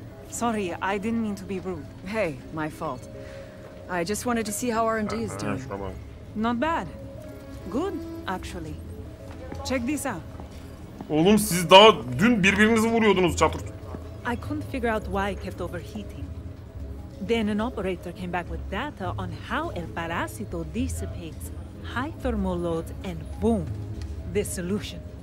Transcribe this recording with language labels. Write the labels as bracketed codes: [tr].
[en] Sorry, I didn't mean to be rude. Hey, my fault. I just wanted to see how R&D is doing. Not bad. Good, actually. Check this out. [tr] Oğlum siz daha dün birbirinizi vuruyordunuz çatır. [en] I couldn't figure out why I kept overheating. Then an operator came back with data on how El Parásito dissipates high thermal loads and boom, the solution.